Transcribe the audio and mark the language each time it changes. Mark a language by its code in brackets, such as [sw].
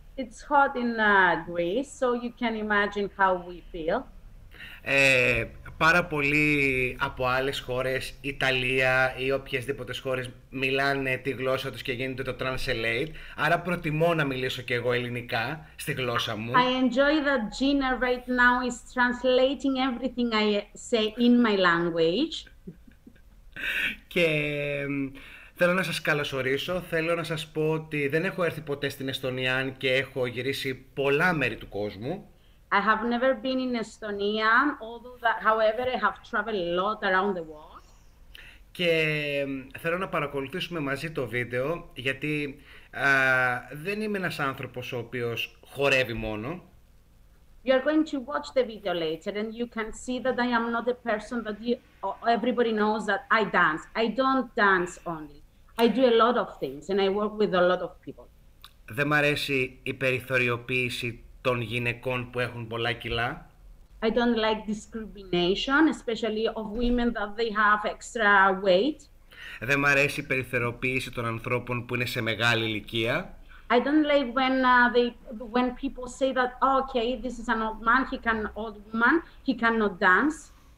[en] It's hot in Greece, so you can imagine how we feel. [el] Πάρα πολλοί από άλλες χώρες, Ιταλία ή οποιασδήποτε χώρες, μιλάνε τη γλώσσα τους και γίνεται το translate. Άρα προτιμώ να μιλήσω και εγώ ελληνικά στη γλώσσα μου. [en] I enjoy that Gina right now is translating everything I say in my language. [el] Και θέλω να σας καλωσορίσω. Θέλω να σας πω ότι δεν έχω έρθει ποτέ στην Εστονία και έχω γυρίσει πολλά μέρη του κόσμου. [en] I have never been in Estonia, although that, however, I have traveled a lot around the world. [el] Και θέλω να παρακολουθήσουμε μαζί το βίντεο, γιατί δεν είμαι ένας άνθρωπος ο οποίος χορεύει μόνο. [en] You are going to watch the video later, and you can see that I am not a person that you, everybody knows that I dance. I don't dance only. I do a lot of things, and I work with a lot of people. [el] Δεν μ' αρέσει η περιθωριοποίηση των γυναικών που έχουν πολλά κιλά. [en] I don't like discrimination, especially of women that they have extra weight. [el] Δεν μ' αρέσει η περιθωριοποίηση των ανθρώπων που είναι σε μεγάλη ηλικία. [en] I don't like when when people say that, okay, this is an old man, he can old woman, he cannot dance.